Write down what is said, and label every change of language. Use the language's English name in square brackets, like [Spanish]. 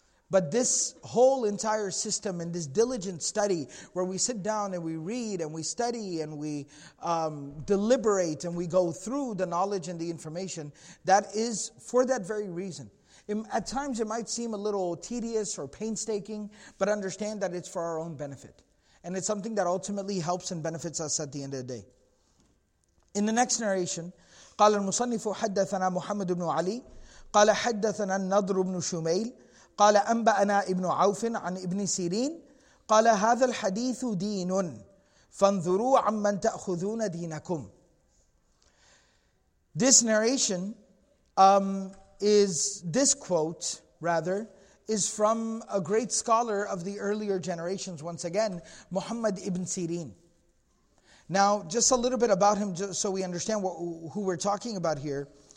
[English] But this whole entire system and this diligent study where we sit down and we read and we study and we deliberate and we go through the knowledge and the information, that is for that very reason. At times it might seem a little tedious or painstaking, but understand that it's for our own benefit. And it's something that ultimately helps and benefits us at the end of the day. [Arabic] In the next narration, قال المصنف حدثنا محمد بن علي قال حدثنا النضر بن شميل قال أنبأنا ابن عوف عن ابن سيرين قال هذا الحديث دين فانظروا عمن تأخذون دينكم. [English] This narration is from a great scholar of the earlier generations, once again, Muhammad ibn Sirin. Now, just a little bit about him so we understand who we're talking about here.